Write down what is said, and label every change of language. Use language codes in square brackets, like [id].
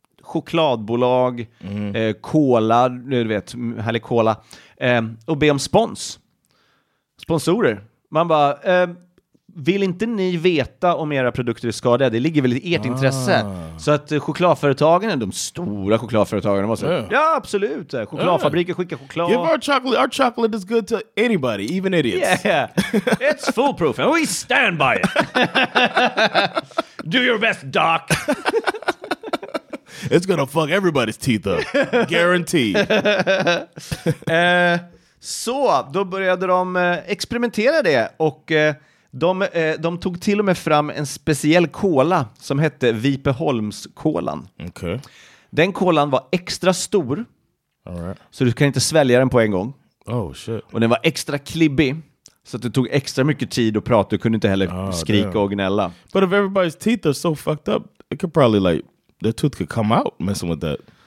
[sv] Chokladbolag, cola, nu vet, härlig cola, och be om sponsorer. Man bara, vill inte ni veta om era produkter är skadade? Det ligger väl i ert intresse. Så att chokladföretagen, de stora chokladföretagen, de var så, ja, absolut, chokladfabriker skickar choklad. [en] Give our chocolate is good to anybody, even idiots. Yeah, it's foolproof and we stand by it. Do your best, doc. It's gonna fuck everybody's teeth up. Guaranteed. [sv] Så, då började de experimentera det. Och de tog till och med fram en speciell kola som hette Vipeholmskolan. [en] Okay. [sv] Den kolan var extra stor. [en] All right. [sv] Så du kan inte svälja den på en gång. [en] Oh shit. [sv] Och den var extra klibbig. Så att det tog extra mycket tid att prata. Du kunde inte heller skrika och gnälla. [en] But if everybody's teeth are so fucked up, it could probably like... Their tooth could come out messing with that.